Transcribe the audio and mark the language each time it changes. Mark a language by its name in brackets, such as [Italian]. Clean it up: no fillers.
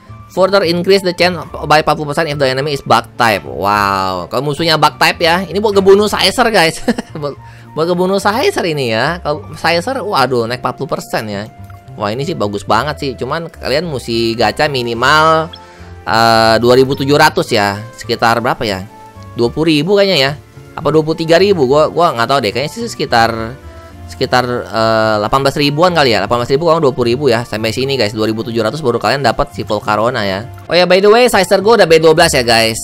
[English] Further increase the chance by 40% if the enemy is bug type. [Indonesian] Wow, kalau musuhnya bug type ya, ini buat kebunuh Sizer guys. Buat kebunuh Sizer ini ya. Kalau Sizer, waduh naik 40% ya. Wah ini sih bagus banget sih. Cuman kalian mesti gacha minimal 2700 ya. Sekitar berapa ya? 20.000 kayaknya ya. Apa 23.000? Gua nggak tahu deh. Kayaknya sih sekitar 18.000-an kali ya. 18.000 kurang 20.000 ya. Sampai sini guys, 2700 baru kalian dapat si Volcarona ya. Oh ya, [English] by the way, [Indonesian] Sizer gua udah B12 ya guys.